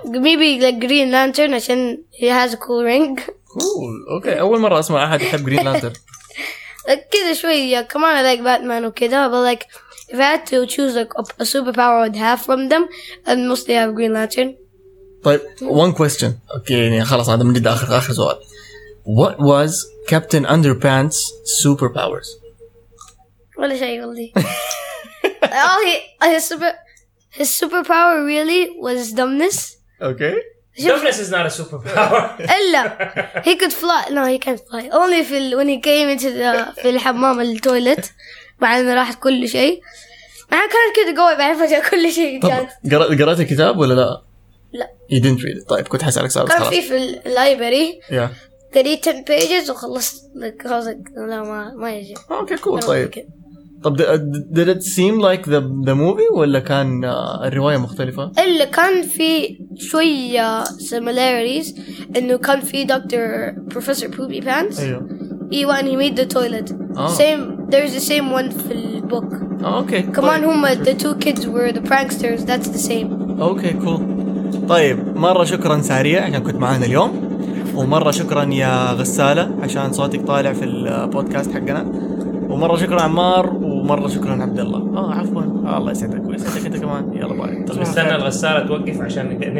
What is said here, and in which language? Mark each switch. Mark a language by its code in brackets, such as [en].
[en] maybe like green lantern [ar] عشان [en] he has a cool ring [ar] cool اوكي اول مره اسمع احد يحب green lantern كذا شويه كمان [en] like batman وكذا but like if I had to choose like a superpower I'd have from them I'd mostly have green lantern. [ar] طيب [en] one question [ar] اوكي يعني خلاص هذا من جد اخر سؤال [en] what was captain underpants superpowers [ar] ولا شيء والله [en] he super his superpower really was dumbness. Okay. Dumbness is not a superpower. إلا he could fly. No, he can't fly. Only when he came into the [ar] في الحمام التويلت بعدين راحت كل شيء. ما كان كده قوي بعدين فجأة كل شيء. قرأت الكتاب ولا لا؟ لا. [en] You didn't read it. [ar] طيب كنت حاسألك سؤال. كان في library. [en] Yeah. [ar] قريت 10 pages وخلصت. [en] Like, I was like, [ar] لا ما يجي. [en] Okay, cool. طيب. طب did it seem like the movie [ar] ولا كان الرواية مختلفة؟ [en] إلا كان في شوية similarities إنه كان في دكتور بروفيسور بوبي بانس [ar] أيوه [en] and he made the toilet same there's the same one [ar] في البوك أوكي كمان هما [en] the two kids were the pranksters that's the same [ar] أوكي cool. طيب مرة شكرا سارية عشان كنت معانا اليوم ومرة شكرا يا غسالة عشان صوتك طالع في البودكاست حقنا ومرة شكرا عمار ومرة شكرا عبد الله الله يسعدك ويسعدك انت كمان يلا باي استنى الغسالة توقف عشان